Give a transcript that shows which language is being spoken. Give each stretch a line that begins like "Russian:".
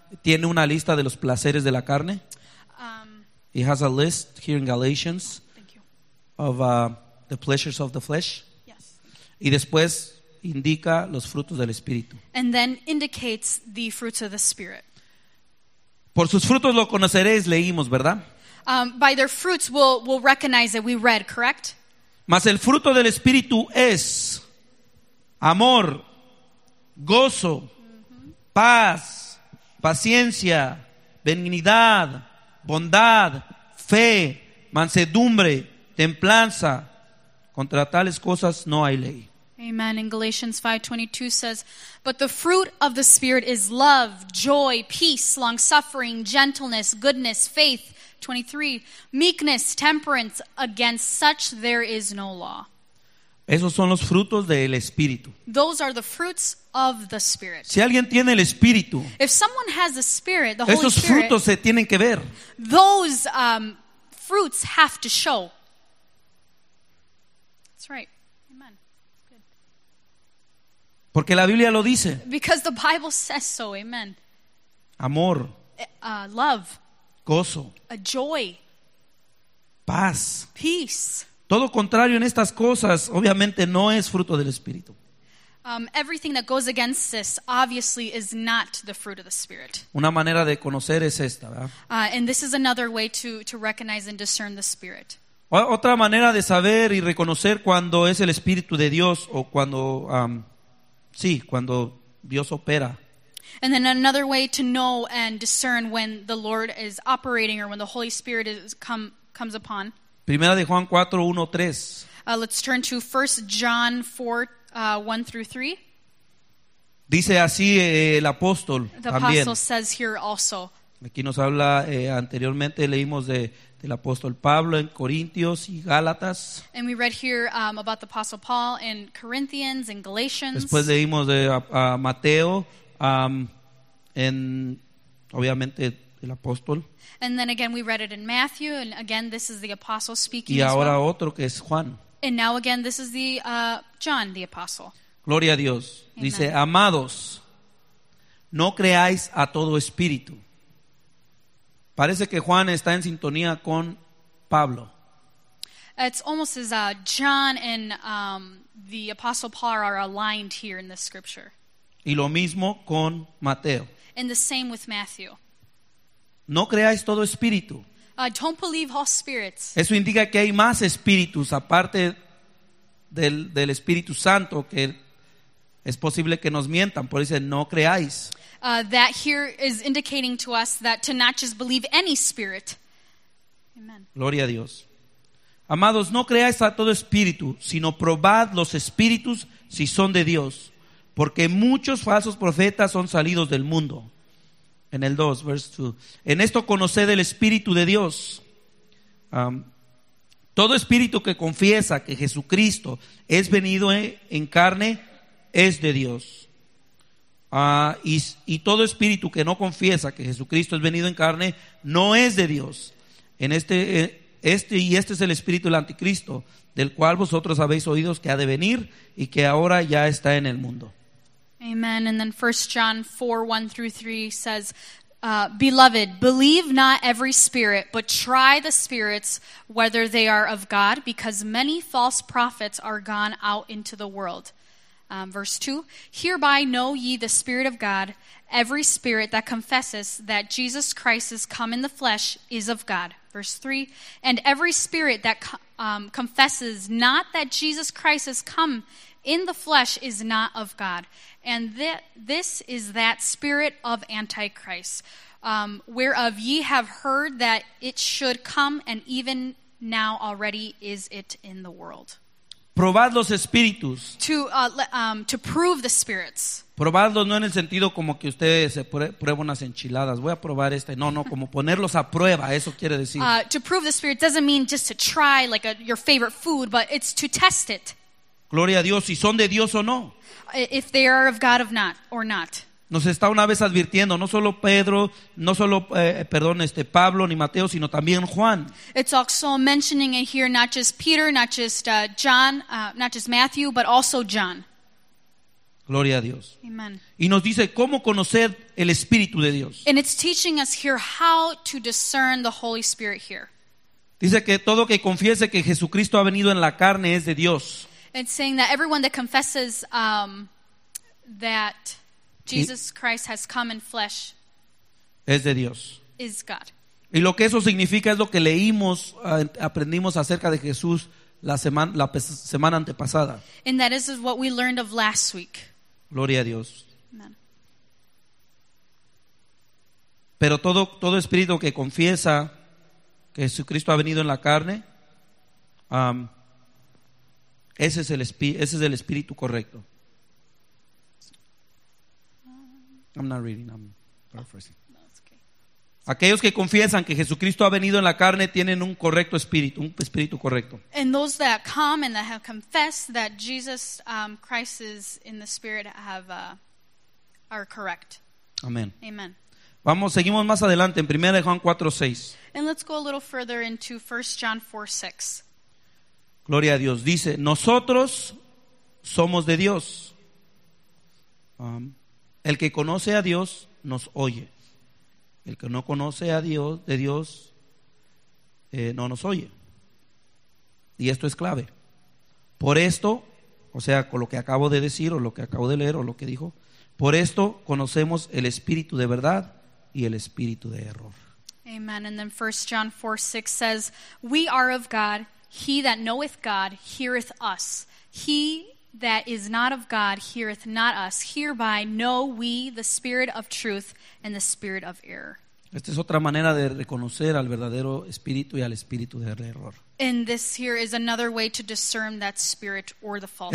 Spanish: Tiene una lista de los placeres de la carne.
English: He has a list here in Galatians. Thank you. Of the pleasures of the flesh. Yes.
Spanish: Y después indica los frutos del Espíritu.
English: And then indicates the fruits of the Spirit.
Spanish: Por sus frutos lo conoceréis, leímos, ¿verdad?
English: By their fruits we'll recognize that we read, correct?
Spanish: Mas el fruto del Espíritu es amor, gozo, paz, paciencia, benignidad, bondad, fe, mansedumbre, templanza. Contra tales cosas no hay ley. Amen.
English: In Galatians 5:22 says, but the fruit of the Spirit is love, joy, peace, long-suffering, gentleness, goodness, faith. 23, meekness, temperance. Against such there is no law.
Spanish: Esos son los frutos del Espíritu.
English: Those are the fruits of the Spirit.
Spanish: Si alguien tiene el Espíritu,
English: if someone has the Spirit, the Holy Spirit,
Spanish: esos frutos se tienen que ver.
English: Those fruits have to show. That's right. Amen. Good.
Spanish: Porque la Biblia lo dice.
English: Because the Bible says so. Amen.
Spanish: Amor.
English: Love.
Spanish: Gozo.
English: A joy.
Spanish: Paz.
English: Peace.
Spanish: Todo contrario en estas cosas, obviamente no es fruto del Espíritu.
English: Everything that goes against this, obviously, is not the fruit of the Spirit.
Spanish: Una manera de conocer es esta, ¿verdad?
English: And this is another way to recognize and discern the Spirit.
Spanish: Otra manera de saber y reconocer cuando es el Espíritu de Dios o cuando, cuando Dios opera.
English: And then another way to know and discern when the Lord is operating or when the Holy Spirit comes upon.
Spanish: Primera de Juan 4:1-3.
English: Let's turn to 1 John 4, 1 through 3.
Spanish: Dice así el apóstol también.
English: The apostle says here also.
Spanish: Aquí nos habla anteriormente, leímos del apóstol Pablo en Corintios y Gálatas.
English: And we read here about the apostle Paul in Corinthians and Galatians.
Spanish: Después leímos de Mateo en obviamente el apóstol.
English: And then again we read it in Matthew, and again this is the apostle speaking.
Spanish: Y ahora
English: as well.
Spanish: Otro que es Juan.
English: And now again this is the John, the apostle.
Spanish: Gloria a Dios. Amen. Dice, amados, no creáis a todo espíritu. Parece que Juan está en sintonía con Pablo.
English: It's almost as John and the apostle Paul are aligned here in this scripture.
Spanish: Y lo mismo con Mateo.
English: And the same with Matthew.
Spanish: No creáis todo espíritu.
English: Don't believe all spirits.
Spanish: Eso indica que hay más espíritus aparte del Espíritu Santo, que es posible que nos mientan, por eso no creáis.
English: That here is indicating to us that to not just believe any spirit. Amen.
Spanish: Gloria a Dios. Amados, no creáis a todo espíritu, sino probad los espíritus si son de Dios, porque muchos falsos profetas son salidos del mundo. En el 2,
English: verse 2.
Spanish: En esto conoced el Espíritu de Dios. Todo espíritu que confiesa que Jesucristo es venido en carne es de Dios. Y todo espíritu que no confiesa que Jesucristo es venido en carne no es de Dios. En este es el espíritu del anticristo, del cual vosotros habéis oído que ha de venir y que ahora ya está en el mundo. Amen.
English: And then 1 John 4:1-3 says, beloved, believe not every spirit, but try the spirits whether they are of God, because many false prophets are gone out into the world. Verse 2, hereby know ye the Spirit of God. Every spirit that confesses that Jesus Christ is come in the flesh is of God. Verse 3, and every spirit that confesses not that Jesus Christ is come in the flesh is not of God. And this is that spirit of Antichrist, whereof ye have heard that it should come, and even now already is it in the world.
Spanish: Probad los espíritus.
English: To prove the spirits.
Spanish: Probadlos no en el sentido como que ustedes se prueban unas enchiladas. Voy a probar este. No, como ponerlos a prueba. Eso quiere decir.
English: To prove the spirit doesn't mean just to try like your favorite food, but it's to test it.
Spanish: Gloria a Dios. Si son de Dios o no.
English: If they are of God or not.
Spanish: Nos está una vez advirtiendo, no solo Pedro, no solo, perdón, Pablo ni Mateo, sino también Juan.
English: It's also mentioning it here, not just Peter, not just John, not just Matthew, but also John.
Spanish: Gloria a Dios. Amen. Y nos dice, ¿cómo conocer el Espíritu de Dios?
English: And it's teaching us here how to discern the Holy Spirit here.
Spanish: Dice que todo que confiese que Jesucristo ha venido en la carne es de Dios.
English: It's saying that everyone that confesses that Jesus Christ has come in flesh
Spanish: es de Dios.
English: Is God.
Spanish: Y lo que eso significa es lo que leímos, aprendimos acerca de Jesús la semana antepasada.
English: And that is what we learned of last week.
Spanish: Gloria a Dios. Amen. Pero todo espíritu que confiesa que Jesucristo ha venido en la carne, ese es el espíritu correcto.
English: I'm not reading, I'm paraphrasing. No, it's okay.
Spanish: Aquellos que confiesan que Jesucristo ha venido en la carne tienen un correcto espíritu, un espíritu correcto.
English: And those that come and that have confessed that Jesus Christ is in the spirit are correct. Amen. Amen.
Spanish: Vamos, seguimos más adelante en 1 Juan 4:6.
English: And let's go a little further into 1 John 4:6.
Spanish: Gloria a Dios. Dice, nosotros somos de Dios. El que conoce a Dios nos oye. El que no conoce a Dios, de Dios, no nos oye. Y esto es clave. Por esto, o sea, con lo que acabo de decir, o lo que acabo de leer, o lo que dijo, por esto conocemos el espíritu de verdad y el espíritu de error. Amen.
English: And then 1 John 4:6 says, we are of God. He that knoweth God heareth us. He that is not of God heareth not us. Hereby know we the spirit of truth and the spirit of error.
Spanish: Esta es otra manera de reconocer al verdadero espíritu y al espíritu de error.
English: And this here is another way to discern that spirit or the false.